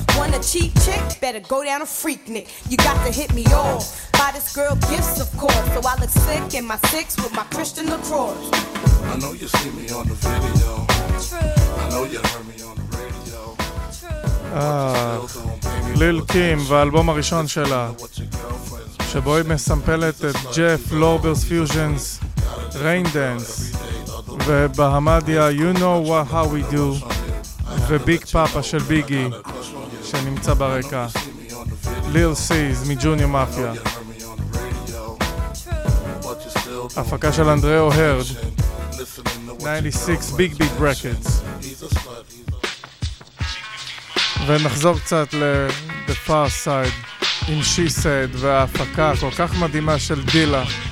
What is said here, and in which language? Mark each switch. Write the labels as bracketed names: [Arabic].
[English] Want a cheap chick? Better go down a freak, Nick. You got to hit me all. Buy this girl gifts, of course. So I look sick in my six with my Christian LaCroix. I know you see me on the video. True. I know you heard me on the radio. True. [Hebrew] Lil Kim, והאלבום הראשון שלה. שבו היא מסמפלת את ג'ף, לורברס פיוז'נס, ריין דנס, ובהמדיה, You Know How We Do, וביג פאפה של ביגי, שנמצא ברקע. ליל סיז מג'וניור מאפיה. הפקה של אנדריאו הרד, 96 ביג ביג ברקטס. ונחזור קצת ל-The Far Side. עם She Said וההפקה כל כך מדהימה של דילה.